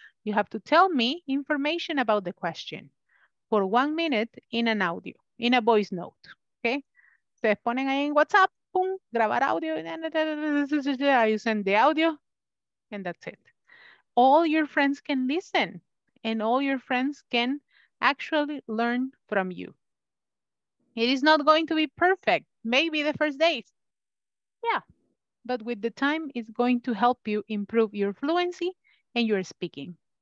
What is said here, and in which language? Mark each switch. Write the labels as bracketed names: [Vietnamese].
[English] You have to tell me information about the question for 1 minute in an audio, in a voice note, okay? [Spanish] Se ponen ahí en WhatsApp, boom, grabar audio, da, da, da, da, da, da, da, da. [English] You send the audio, and that's it. All your friends can listen, and all your friends can actually learn from you. It is not going to be perfect, maybe the first days. Yeah, but with the time, it's going to help you improve your fluency and your speaking.